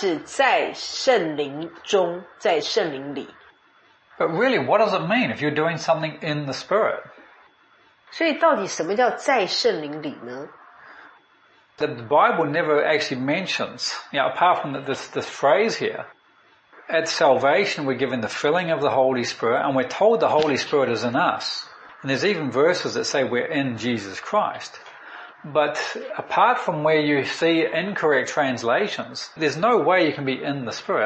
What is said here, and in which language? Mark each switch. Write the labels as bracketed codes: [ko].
[zh] 所以直接翻译的话是在圣灵中，在圣灵里。 [en] But really, what does it mean if you're doing something in the spirit? [zh] 所以到底什么叫在圣灵里呢？ [en] The Bible never actually mentions, apart from this phrase here, at salvation we're given the filling of the Holy Spirit, and we're told the Holy Spirit is in us. And there's even verses that say we're in Jesus Christ. But apart from where you see incorrect translations, there's no way you can be in the Spirit.